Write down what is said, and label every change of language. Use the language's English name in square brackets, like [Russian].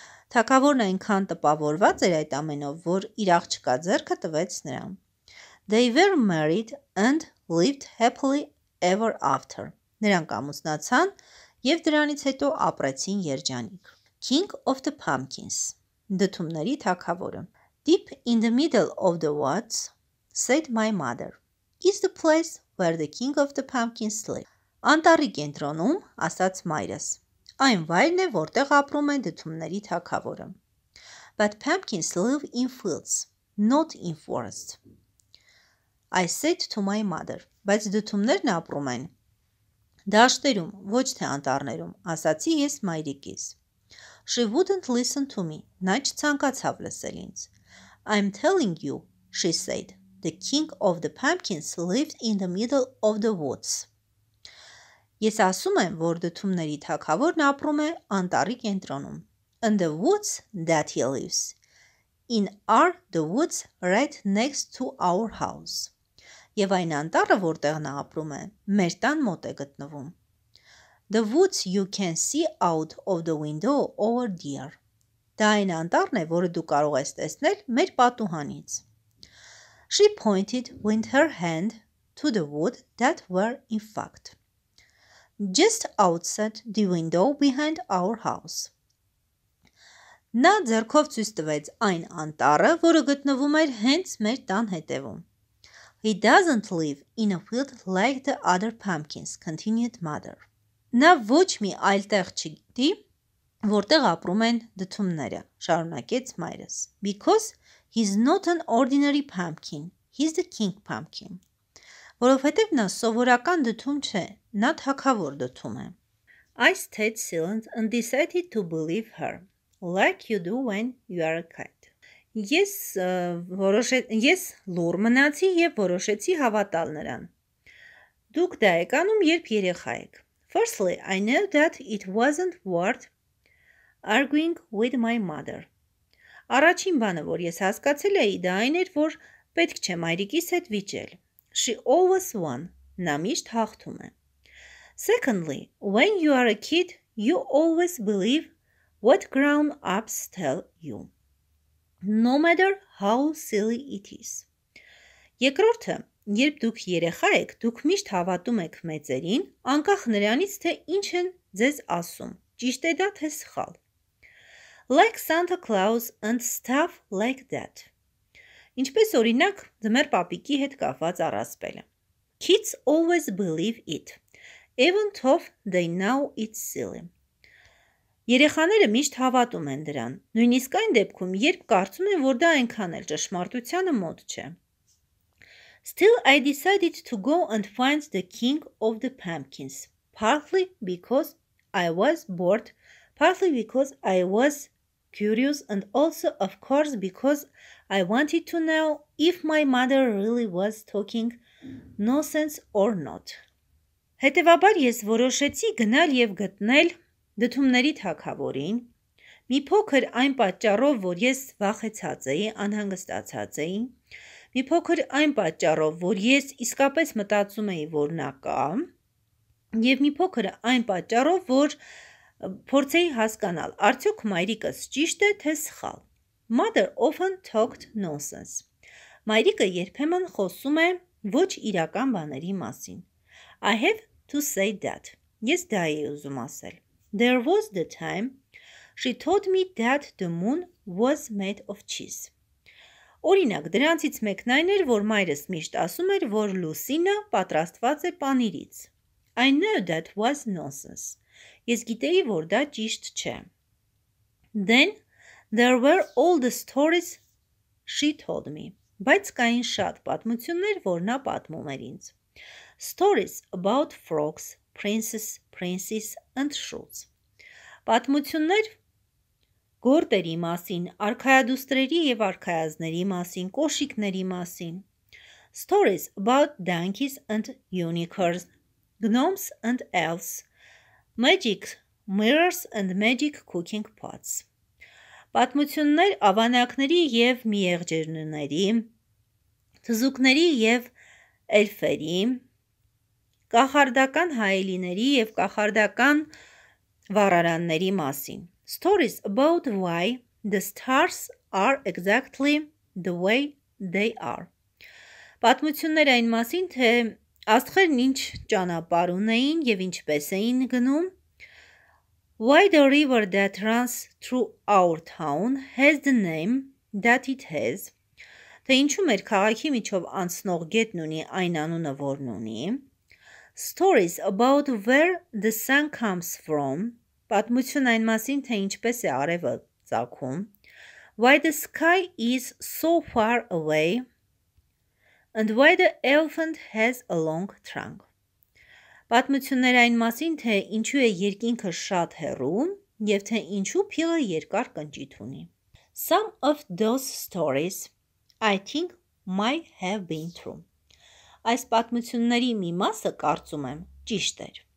[Armenian] Թագավորն այնքան տպավորված էր այդ ամենով, որ իր աղջկա ձեռքը տվեց նրան։ [English] They were married and lived happily ever after. [Armenian] Նրանք ամուսնացան և դրանից հետո ապրեցին երջանիկ։ [English] King of the Pumpkins, [Armenian] դդումների թագավորը. [English] Deep in the middle of the woods, said my mother, is the place where the king of the pumpkins live. [Armenian] Անտառի կենտրոնում, ասաց մայրս, այն վայրն է, որտեղ ապրում են դդումների թագավորը. [English] But pumpkins live in fields, not in forests. I said to my mother, [Armenian] բայց դդումներն ապրում են դաշտերում, ոչ թե անտառներում, ասացի ես մայրիկիս. [English] She wouldn't listen to me. [Armenian] Նա չցանկացավ լսել ինձ. [English] I'm telling you, she said, The king of the pumpkins lived in the middle of the woods. [Armenian] Ես ասում եմ, որ դդումների թագավորն ապրում է անտառի կենտրոնում. [English] In the woods that he lives. In are the woods right next to our house. [Armenian] Եվ այն անտառը, որտեղ նա ապրում է, մեր տան մոտ է գտնվում. [English] The woods you can see out of the window over there. [Armenian] Դա այն անտառն է, որը դու կարող ես տեսնել մեր պատուհանից. [English] She pointed with her hand to the wood that were in fact just outside the window behind our house. [Armenian] Նա ձեռքով ցույց տվեց այն անտառը, որը գտնվում էր հենց մեր տան հետևում. [English] He doesn't live in a field like the other pumpkins, continued mother. [Armenian] Նա ոչ մի այլ տեղ չգիտի, որտեղ ապրում են դդումները, շարունակեց մայրս. [English] Because he's not an ordinary pumpkin, he's the king pumpkin. [Armenian] Որովհետև նա սովորական դդում չէ, նա թագավոր դդում է. [English] I stayed silent and decided to believe her, like you do when you are a kid. [Armenian] Ես լուր մնացի և որոշեցի հավատալ նրան։ Դուք դա եք անում, երբ երեխա եք։ [English] Firstly, I know that it wasn't worth arguing with my mother. [Armenian] Առաջին բանը, որ ես հասկացել էի, դա այն էր, որ պետք չէ մայրիկիս հետ վիճել. [English] She always won. [Armenian] Նա միշտ հաղթում է։ [English] Secondly, when you are a kid, you always believe what grown-ups tell you. No matter how silly it is. [Armenian] Երկրորդը, երբ դուք երեխա եք, դուք միշտ հավատում եք մեծերին, անկախ նրանից, թե ինչ են ձեզ ասում, ճիշտ է դա, թե սխալ. [English] Like Santa Claus and stuff like that. [Armenian] Ինչպես օրինակ, ձմեր պապիկի հետ կապված առասպելը. [English] Kids always believe it, even though they know it's silly. [Armenian] Երեխաները միշտ հավատում են դրան, նույնիսկ այն դեպքում, երբ կարծում են, որ դա այնքան էլ ճշմարտությանը մոտ չէ։ [English] Still, I decided to go and find the king of the pumpkins, partly because I was curious and also, of course, because I wanted to know if my mother really was talking nonsense or not. [Armenian] Հետևաբար ես որոշեցի գնալ և գտնել դդումների թագավորին, մի փոքր այն պատճառով, որ ես վախեցած էի, անհանգստացած էի, մի փոքր այն պատճառով, որ ես իսկապես մտածում էի, որ նա կա, և մի փոքր այն պատճառով, որ փորձեի հասկանալ, արդյոք մայրիկս ճիշտ է, թե սխալ. [English] Mother often talked nonsense. [Armenian] Մայրիկը երբեմն խոսում է ոչ իրական բաների մասին. [English] I have to say that. [Armenian] Ես դա էի ուզում ասել. [English] There was the time she told me that the moon was made of cheese. [Armenian] Օրինակ, դրանցից մեկն այն էր, որ մայրս միշտ ասում էր, որ լուսինը պատրաստված է պանիրից. [English] I know that was nonsense. [Armenian] Ես գիտեի, որ դա ճիշտ չէ. [English] Then there were all the stories she told me. [Armenian] Բայց կային շատ պատմություններ, որ նա պատմում էր ինձ. [English] Stories about frogs, princes and shrews. [Armenian] Պատմություններ գորտերի մասին, արքայադուստրերի և արքայազների մասին, կոշիկների մասին. [English] Stories about donkeys and unicorns, gnomes and elves, magic mirrors and magic cooking pots. [Armenian] Պատմություններ ավանակների և միեղջերնների, թզուկների և էլֆերի, կախարդական հայելիների և կախարդական վառարանների մասին. [English] Stories about why the stars are exactly the way they are. [Armenian] Պատմություններ այն մասին, թե աստղերն ինչ ճանապարհ ունեին և ինչպես էին գնում. [English] Why the river that runs through our town has the name that it has. [Armenian] Թե ինչու մեր քաղաքի միջով անցնող գետն ունի այն անունը, որն ունի. [English] Stories about where the sun comes from. [Armenian] Պատմություն այն մասին, թե ինչպես է արևը ծագում. [English] Why the sky is so far away. And why the elephant has a long trunk. [Armenian] Պատմություններ այն մասին, թե ինչու է երկինքը շատ հեռու, և թե ինչու փիլը երկար կնճիթ ունի. [English] Some of those stories, I think, might have been true. [Armenian] Այս պատմությունների մի մասը, կարծում եմ, ճիշտ էր.